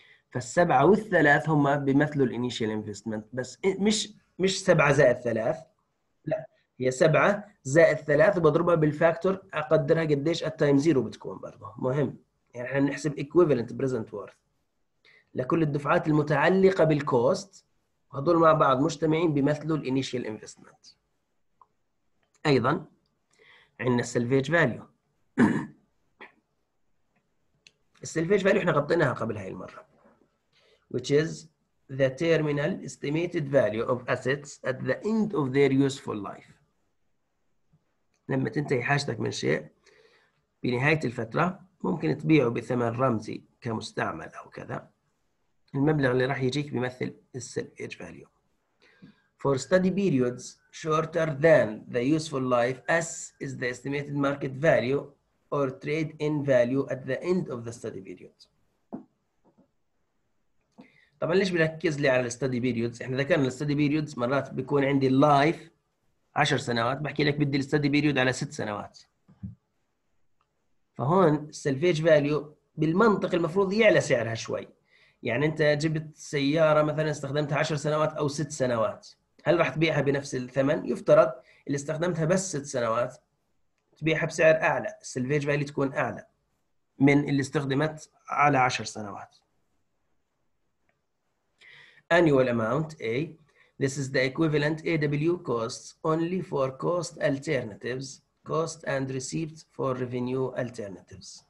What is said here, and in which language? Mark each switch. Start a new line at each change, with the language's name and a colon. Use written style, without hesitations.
Arabic: فالسبعة والثلاث هما بمثلوا الانيشال انفستمنت بس مش 7 زائد 3 لا هي 7 زائد 3 وبضربها بالفاكتور أقدرها قديش التايم زيرو بتكون برضه مهم يعني احنا بنحسب
English: equivalent present worth
Arabic: لكل الدفعات المتعلقة بالكوست وهدول مع بعض مجتمعين بمثلوا الـ initial investment. أيضا عندنا الـ salvage value. الـ salvage value احنا غطيناها قبل هاي المرة
English: which is the terminal estimated value of assets at the end of their useful life.
Arabic: لما تنتهي حاجتك من شيء بنهاية الفترة ممكن تبيعه بثمن رمزي كمستعمل أو كذا. المبلغ اللي راح يجيك بيمثل السلفيج فاليو.
English: For study periods shorter than the useful life, S is the estimated market value or trade-in value at the end of the study period.
Arabic: طبعا ليش بنركز لي على study periods؟ احنا ذكرنا study periods مرات بيكون عندي life 10 سنوات، بحكي لك بدي study period على 6 سنوات. فهون salvage value بالمنطق المفروض يعلى سعرها شوي. يعني انت جبت سيارة مثلا استخدمتها 10 سنوات او 6 سنوات، هل راح تبيعها بنفس الثمن؟ يفترض اللي استخدمتها بس 6 سنوات تبيعها بسعر اعلى، السلفيج فاليو تكون اعلى من اللي استخدمت على 10 سنوات.
English: Annual amount A. This is the equivalent AW costs only for cost alternatives, cost and received for revenue alternatives.